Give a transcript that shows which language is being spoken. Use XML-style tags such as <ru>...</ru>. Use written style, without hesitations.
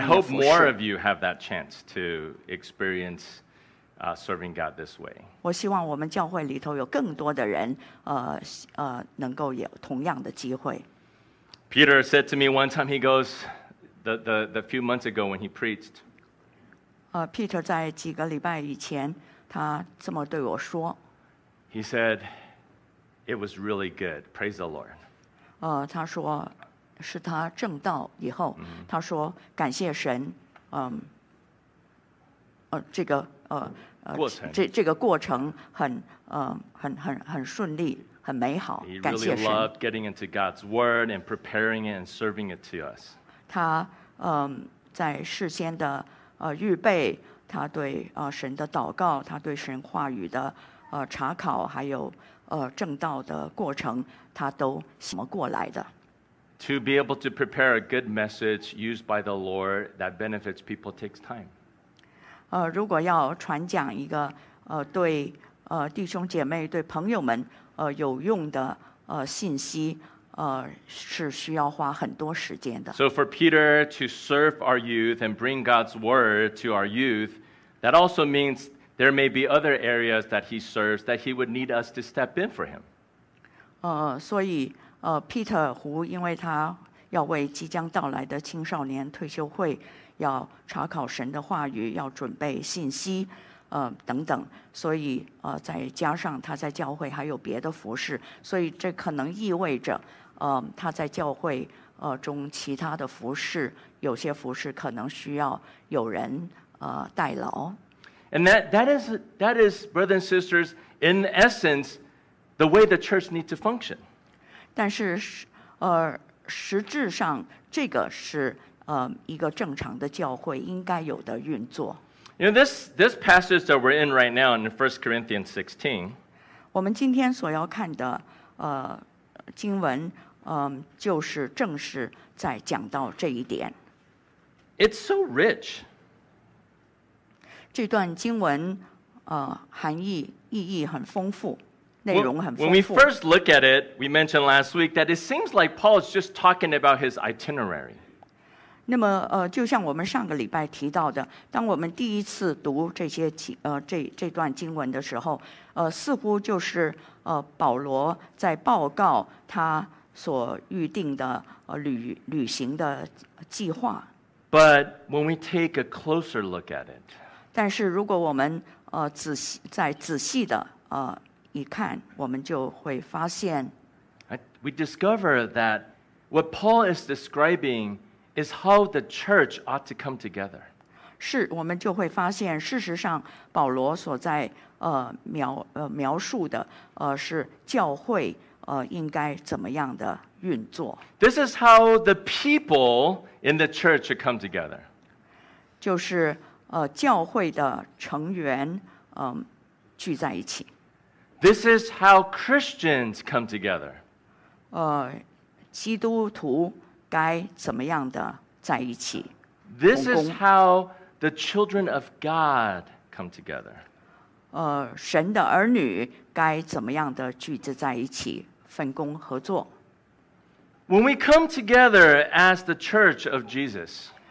<en>I hope more of you have that chance to experience serving God this way.</en> <zh>我希望我们教会里头有更多的人，能够有同样的机会。</zh> <en>Peter said to me one time, he goes, the few months ago when he preached.</en> <zh>Peter 在几个礼拜以前，他这么对我说。</zh> <en>He said, it was really good. Praise the Lord.</en> <zh>他说是他正道以后，他说感谢神，这个过程这个过程很顺利，很美好。</zh> <en>He really loved getting into God's word and preparing it and serving it to us.</en> <zh>他在事先的预备，他对神的祷告，他对神话语的查考，还有正道的过程，他都怎么过来的。</zh> <en>To be able to prepare a good message used by the Lord that benefits people takes time.</en> <zh>如果要传讲一个对弟兄姐妹对朋友们有用的信息，是需要花很多时间的。</zh> <en>So for Peter to serve our youth and bring God's word to our youth, that also means there may be other areas that he serves that he would need us to step in for him.</en> <zh>所以Peter 胡，因为他要为即将到来的青少年退休会要查考神的话语，要准备信息等等，所以再加上他在教会还有别的服事，所以这可能意味着他在教会中其他的服事，有些服事可能需要有人代劳。</zh> <en>And that is brothers and sisters, in essence, the way the church needs to function.</en> <zh>但是实质上这个是一个正常的教会应该有的运作。</zh> <en>You know, this passage that we're in right now in 1 Corinthians 16.</en> <zh>我们今天所要看的经文就是正是在讲到这一点。</zh> <en>It's so rich.</en> <zh>这段经文含义意义很丰富，内容很丰富。</zh> <en>When we first look at it, we mentioned last week that it seems like Paul is just talking about his itinerary.</en> <zh>那么就像我们上个礼拜提到的，当我们第一次读这些这段经文的时候，似乎就是保罗在报告他所预定的旅行的计划。</zh> <en>But when we take a closer look at it,</en> <zh>但是如果我们仔细的一看，我们就会发现</zh> <en>we discover that what Paul is describing is how the church ought to come together.</en> <zh>是，我们就会发现，事实上，保罗所在描述的是教会应该怎么样的运作。</zh> <en>This is how the people in the church should come together.</en> <zh>就是教会的成员聚在一起。</zh> <en>This is how Christians come together.</en> <zh>基督徒该怎么样的在一起？</zh> <en>This is how the children of God come together.</en> <zh>神的儿女该怎么样的聚集在一起，分工合作？</zh> <en>When we come together as the church of Jesus,</en>